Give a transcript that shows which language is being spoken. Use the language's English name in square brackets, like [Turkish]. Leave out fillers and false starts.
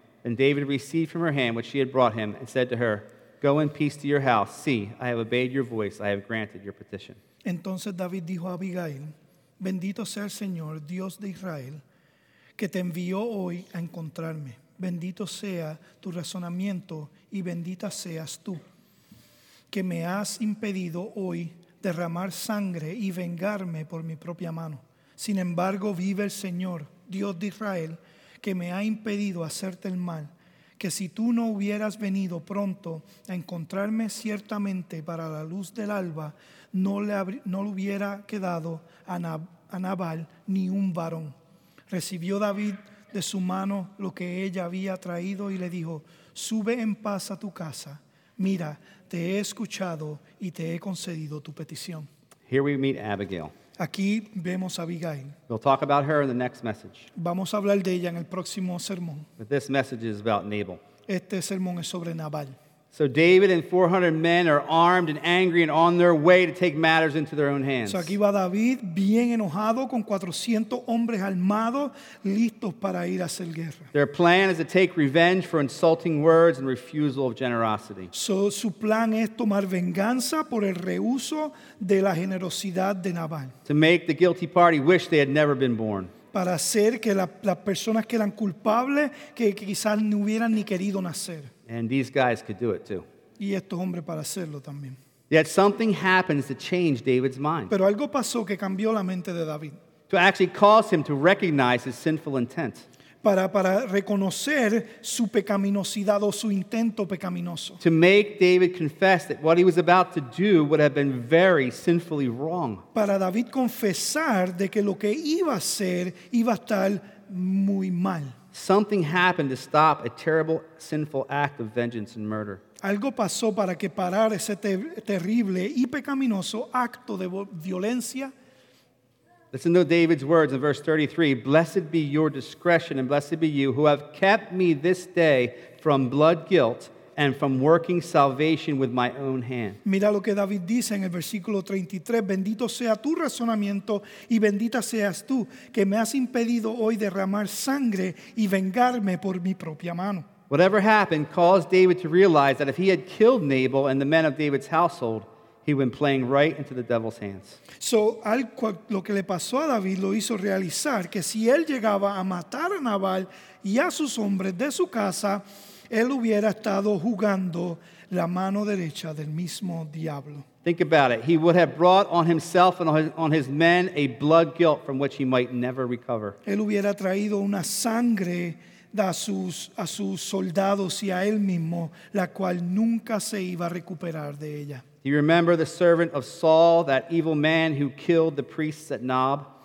[English] Then David received from her hand what she had brought him and said to her, "Go in peace to your house. See, I have obeyed your voice. I have granted your petition." [Spanish] Entonces David dijo a Abigail, "Bendito sea el Señor, Dios de Israel, que te envió hoy a encontrarme. Bendito sea tu razonamiento y bendita seas tú, que me has impedido hoy derramar sangre y vengarme por mi propia mano. Sin embargo, vive el Señor, Dios de Israel, que me ha impedido hacerte el mal, que si tú no hubieras venido pronto a encontrarme ciertamente para la luz del alba, no le hubiera quedado a Nabal ni un varón." Recibió David de su mano lo que ella había traído y le dijo, "Sube en paz a tu casa. Mira, te he escuchado y te he concedido tu petición." [English] Here we meet Abigail. [Spanish] Aquí vemos a Abigail. [English] We'll talk about her in the next message. [Spanish] Vamos a hablar de ella en el próximo sermón. [English] But this message is about Nabal. [Spanish] Este sermón es sobre Nabal. [English] So David and 400 men are armed and angry and on their way to take matters into their own hands. [Spanish] So aquí va David bien enojado con 400 hombres armados listos para ir a hacer guerra. [English] Their plan is to take revenge for insulting words and refusal of generosity. [Spanish] So su plan es tomar venganza por el rehuso de la generosidad de Nabal. [English] To make the guilty party wish they had never been born. [Spanish] Para hacer que las personas que eran culpables que quizás no hubieran ni querido nacer. [English] And these guys could do it too. [Spanish] Y estos hombres para hacerlo también. [English] Yet something happens to change David's mind. [Spanish] Pero algo pasó que cambió la mente de David. [English] To actually cause him to recognize his sinful intent. [Spanish] Para reconocer su pecaminosidad o su intento pecaminoso. [English] To make David confess that what he was about to do would have been very sinfully wrong. [Spanish] Para David confesar de que lo que iba a hacer iba a estar muy mal. [English] Something happened to stop a terrible, sinful act of vengeance and murder. [Spanish] Algo pasó para que parara ese terrible y pecaminoso acto de violencia. [English] Listen to David's words in verse 33. "Blessed be your discretion and blessed be you who have kept me this day from blood guilt and from working salvation with my own hand." [Spanish] Mira lo que David dice en el versículo 33. "Bendito sea tu razonamiento y bendita seas tú, que me has impedido hoy derramar sangre y vengarme por mi propia mano." [English] Whatever happened caused David to realize that if he had killed Nabal and the men of David's household, he went playing right into the devil's hands. [Spanish] So, lo que le pasó a David lo hizo realizar que si él llegaba a matar a Nabal y a sus hombres de su casa, él hubiera estado jugando la mano derecha del mismo diablo. [English] Think about it. He would have brought on himself and on his men a blood guilt from which he might never recover. [Spanish] Él hubiera traído una sangre a sus soldados y a él mismo, la cual nunca se iba a recuperar de ella. [English] You remember the servant of Saul, that evil man who killed the priests at Nob?